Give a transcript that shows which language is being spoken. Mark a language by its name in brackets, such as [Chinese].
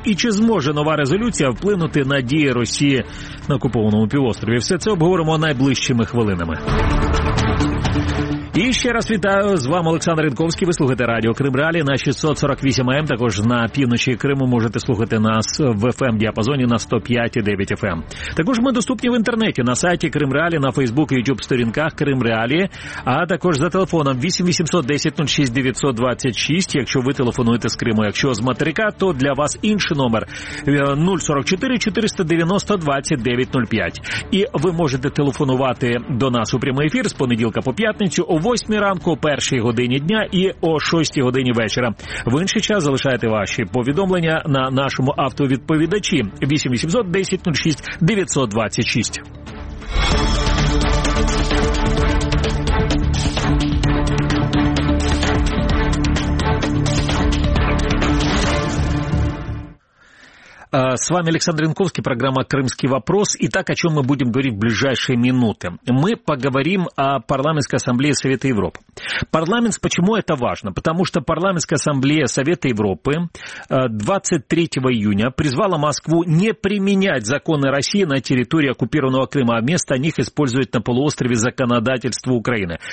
[Ukrainian] І чи зможе нова резолюція вплинути на дії Росії на окупованому півострові? Все це обговоримо найближчими хвилинами. І ще раз вітаю, з вами Олександр Рінковський, ви слухаєте радіо Крим Реалі на 648 АМ, також на півночі Криму можете слухати нас в FM-діапазоні на 105,9 FM. Також ми доступні в інтернеті, на сайті Крим Реалі, на Facebook, YouTube, сторінках Крим Реалі, а також за телефоном 8 800 10 06 926, якщо ви телефонуєте з Криму. Якщо з материка, то для вас інший номер 044-490-2905. І ви можете телефонувати до нас у прямий ефір з понеділка по п'ятницю о 8 ранку, о 1 годині дня і о 6 годині вечора. В інший час залишайте ваші повідомлення на нашому автовідповідачі 8 800 10 06 926. [Russian] С вами Александр Янковский, программа «Крымский вопрос». Итак, о чем мы будем говорить в ближайшие минуты? Мы поговорим о Парламентской ассамблее Совета Европы. Парламент, почему это важно? Потому что Парламентская ассамблея Совета Европы 23 июня призвала Москву не применять законы России на территории оккупированного Крыма, а вместо них использовать на полуострове законодательство Украины.